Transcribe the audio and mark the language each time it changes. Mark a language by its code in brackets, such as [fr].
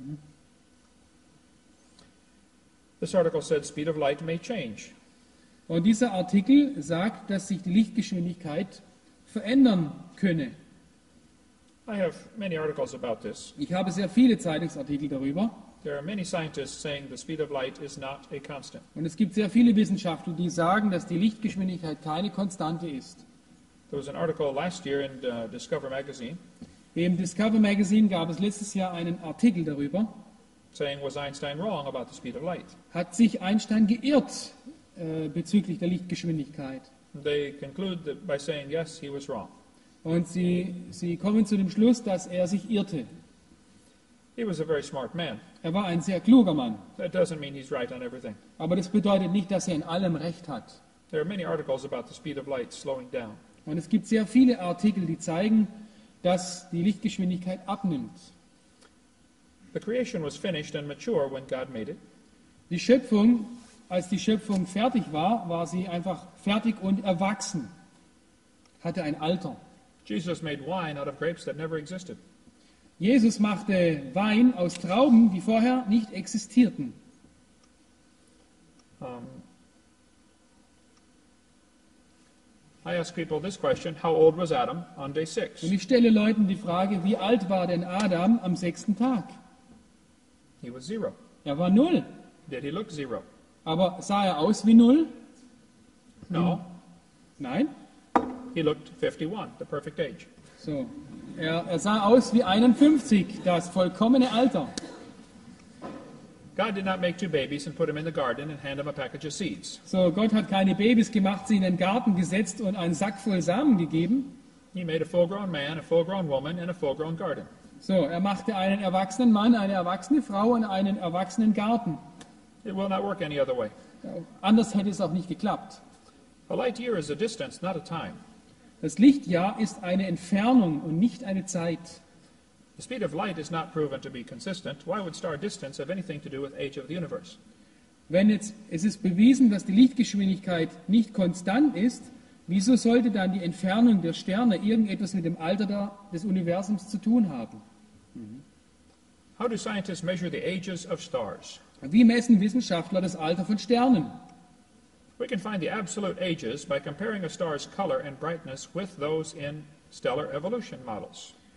[en] Mhm. This article said speed of light may change. [de] Und dieser Artikel sagt, dass sich die Lichtgeschwindigkeit verändern könne. [en] I have many articles about this. [de] Ich habe sehr viele Zeitungsartikel darüber. [en] There are many scientists saying the speed of light is not a constant. [de] Und es gibt sehr viele Wissenschaftler, die sagen, dass die Lichtgeschwindigkeit keine Konstante ist. [en] There was an article last year in Discover Magazine. [de] Im Discover Magazine gab es letztes Jahr einen Artikel darüber. [en] Saying, was Einstein wrong about the speed of light? [de] Hat sich Einstein geirrt? Bezüglich der Lichtgeschwindigkeit. [en] They conclude that by saying yes, he was wrong. [de] Und sie kommen zu dem Schluss, dass er sich irrte. [en] He was a very smart man. [de] Er war ein sehr kluger Mann. [en] That doesn't mean he's right on everything. [de] Aber das bedeutet nicht, dass er in allem recht hat. [en] There are many articles about the speed of light slowing down. [de] Und es gibt sehr viele Artikel, die zeigen, dass die Lichtgeschwindigkeit abnimmt. [en] The creation was finished and mature when God made it. [de] Die Schöpfung, als die Schöpfung fertig war, war sie einfach fertig und erwachsen. Hatte ein Alter. [en] Jesus made wine out of grapes that never existed. [de] Jesus machte Wein aus Trauben, die vorher nicht existierten. [en] I ask people this question, how old was Adam on day 6? [de] Und ich stelle Leuten die Frage, wie alt war denn Adam am sechsten Tag? [en] He was zero. [de] Er war null. [en] Did he look zero? [de] Aber sah er aus wie null? [en] No. [de] Nein. [en] He looked 51, the perfect age. [de] So. Er sah aus wie 51, das vollkommene Alter. [en] God did not make two babies and put them in the garden and hand them a package of seeds. [de] So, Gott hat keine Babys gemacht, sie in den Garten gesetzt und einen Sack voll Samen gegeben. [en] He made a full-grown man, a full-grown woman and a full-grown garden. [de] So, er machte einen erwachsenen Mann, eine erwachsene Frau und einen erwachsenen Garten. [en] It will not work any other way. [de] Anders hätte es auch nicht geklappt. [en] A light year is a distance, not a time. [de] Das Licht, ja, ist eine Entfernung und nicht eine Zeit. [en] The speed of light is not proven to be consistent. Why would star distance have anything to do with age of the universe? [de] Wenn jetzt, es ist bewiesen, dass die Lichtgeschwindigkeit nicht konstant ist, wieso sollte dann die Entfernung der Sterne irgendetwas mit dem Alter des Universums zu tun haben? [en] How do scientists measure the ages of stars? [de] Wie messen Wissenschaftler das Alter von Sternen? [en] We can find the absolute ages by comparing a star's color and brightness with those in stellar evolution models.